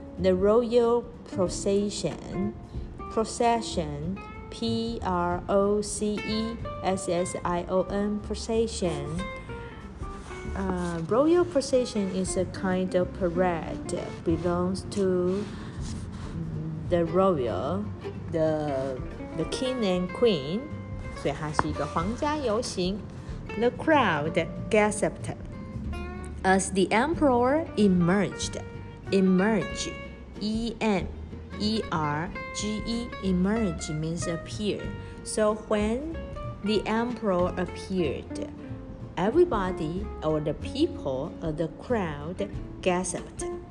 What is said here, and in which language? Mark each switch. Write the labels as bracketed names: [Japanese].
[English] The Royal Procession. Procession, P-R-O-C-E-S-S-I-O-N, Procession. Royal procession is a kind of parade, belongs to the royal, the king and queen. [Chinese] 所以它是一个皇家游行。 [English] The crowd gasped as the emperor emerge means appear. So when the emperor appeared,Everybody or the people or the crowd gasped.